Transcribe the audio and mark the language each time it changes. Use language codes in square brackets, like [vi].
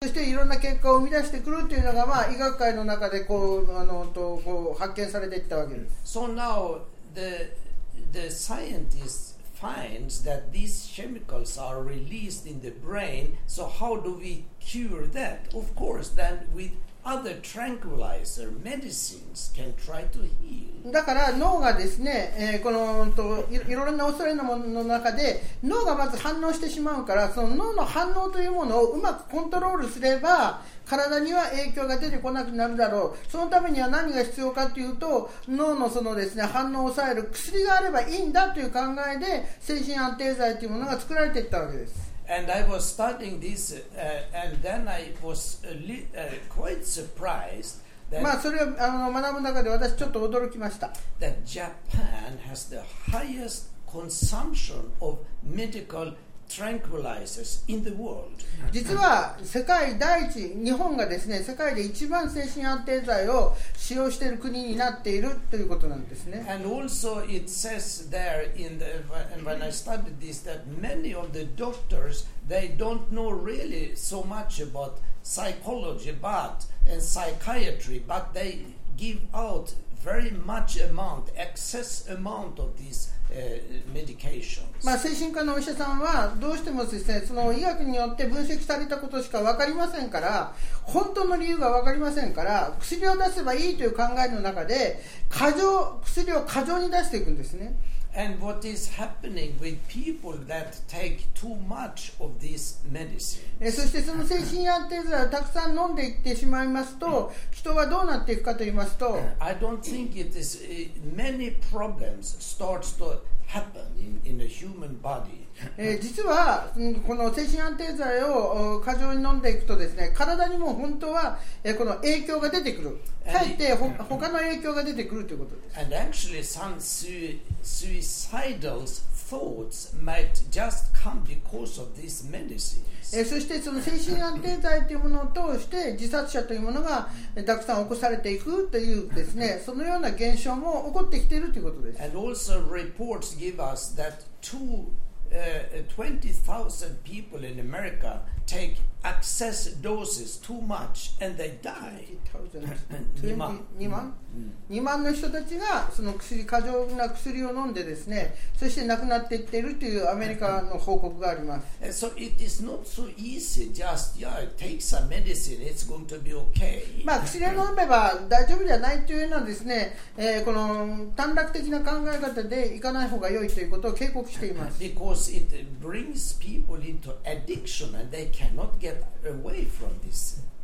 [ja] そしていろんな結果を生み出してくるというのが、まあ、医学界の中でこうあのとこう発見されていったわけです。 [en] So now the scientist finds that these chemicals are released in the brain. So how do we cure that? Of course, then with other tranquilizer medicines can try to heal. [ja] だから脳がですね、このといろんな恐れのものの中で脳がまず反応してしまうから、その脳の反応というものをうまくコントロールすれば体には影響が出てこなくなるだろう。そのためには何が必要かというと、脳のそのですね、反応を抑える薬があればいいんだという考えで精神安定剤というものが作られていったわけです。 [en] And I was studying this, and then I was quite surprised that, [ja] まあそれを学ぶ中で私ちょっと驚きました。 [en] That Japan has the highest consumption of medical tranquilizers in the world. [ja] 実は世界第一、日本がですね、世界で一番精神安定剤を使用している国になっているということなんですね。 [en] And also it says there in the, when I studied this, that many of the doctors, they don't know really so much about psychology, but, and psychiatry, but they give out very much amount, excess amount of these medications. [ja] まあ精神科のお医者さんはどうしてもですね、その医学によって分析されたことしか分かりませんから、本当の理由が分かりませんから、薬を出せばいいという考えの中で過剰、薬を過剰に出していくんですね。 [en] And what is happening with people that take too much of this medicine? [ja] そしてその精神安定剤をたくさん飲んでいってしまいますと、人はどうなっていくかと言いますと、 [en] I don't think it is many problems starts to happen in a human body. [ja] 実はこの精神安定剤を過剰に飲んでいくとですね、体にも本当はこの影響が出てくる。かえって他の影響が出てくるということです。 [en] And actually some suicidal thoughts might just come because of this medicine. [ja] そしてその精神安定剤というものを通して自殺者というものがたくさん起こされていくというですね、そのような現象も起こってきているということです。 [en] And also reports give us that 20,000 people in America take excess doses too much and they die. [ja] 2万の人たちがその薬、過剰な薬を飲んでですね、そして亡くなっていっているというアメリカの報告があります。 [en] So it is not so easy just take some medicine, it's going to be okay. [ja] 薬を飲めば大丈夫じゃないというのはですね、この短絡的な考え方でいかない方が良いということを警告しています。 [en] Because it brings people into addiction and they cannot get away from this